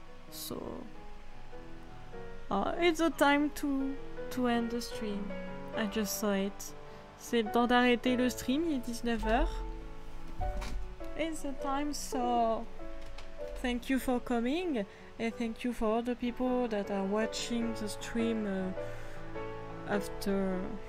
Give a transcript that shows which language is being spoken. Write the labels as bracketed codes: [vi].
[en] So, it's the time to end the stream. I just saw it. [fr] C'est le temps d'arrêter le stream, il est 19h. [en] It's the time, so thank you for coming and thank you for all the people that are watching the stream after.